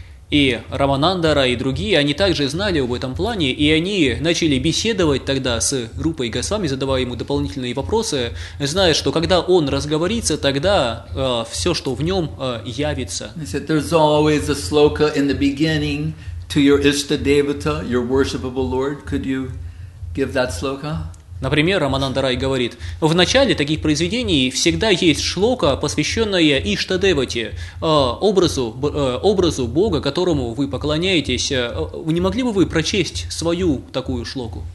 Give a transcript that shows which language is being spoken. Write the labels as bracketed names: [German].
[Russian] И Рамананда Рай и другие, они также знали об этом плане, и они начали беседовать тогда с Рупой Госвами, задавая ему дополнительные вопросы, зная, что когда он разговорится, тогда все, что в нем, явится. [English] He said, there's always a sloka in the beginning, to your Ishta Devata, your worshipable Lord, could you give that sloka? [Russian] Например, Рамананда Рай говорит: в начале таких произведений всегда есть шлока, посвященная Ишта Девате, образу Бога, которому вы поклоняетесь. Не могли бы вы прочесть свою такую шлоку?